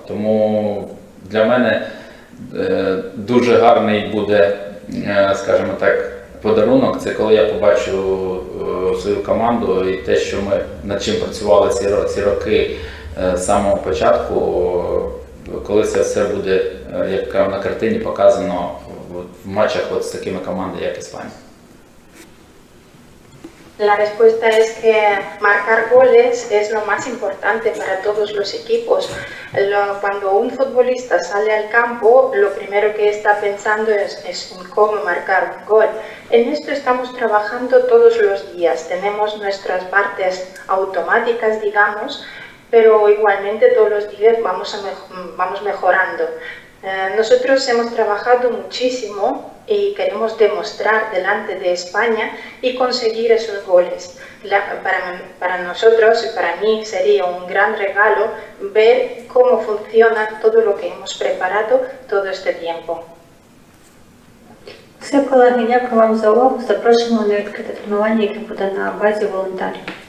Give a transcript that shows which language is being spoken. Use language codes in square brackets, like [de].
[uk] Тому для мене дуже гарний буде, скажімо так, подарунок – це коли я побачу свою команду і те, що ми над чим працювали ці роки з самого початку, коли це все буде, як на картині показано, в матчах от з такими командами, як Іспанія. [es] La respuesta es que marcar goles es lo más importante para todos los equipos. Cuando un futbolista sale al campo, lo primero que está pensando es en cómo marcar un gol. En esto estamos trabajando todos los días. Tenemos nuestras partes automáticas, digamos, pero igualmente todos los días vamos mejorando. Nosotros hemos trabajado muchísimo y queremos demostrar delante de España y conseguir esos goles. Para nosotros y para mí sería un gran regalo ver cómo funciona todo lo que hemos preparado todo este tiempo. [uk] Все, колеги, дякую вам за увагу. Запрошуємо на відкрите тренування, яке буде на базі волонтерів.